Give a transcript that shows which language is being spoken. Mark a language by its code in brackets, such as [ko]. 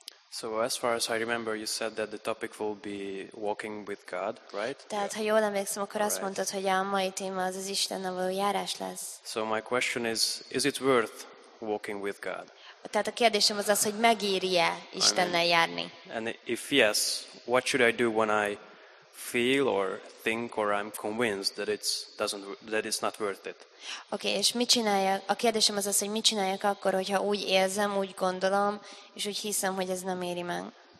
[en] So as far as I remember, you said that the topic will be walking with God, right? [hu] Tehát, yeah. Ha jól emlékszem, akkor azt mondtad, hogy a mai téma az Istennel való járás lesz. [en] So my question is it worth walking with God? [hu] Tehát a kérdésem az az, hogy megéri-e Istennel járni? [en] And if yes, what should I do when I feel or think or I'm convinced that it's not worth it? [hu] Okay, és mit csináljak? A kérdésem az, hogy mit csináljak akkor, hogyha úgy érzem, úgy gondolom, és úgy hiszem, hogy ez nem éri meg.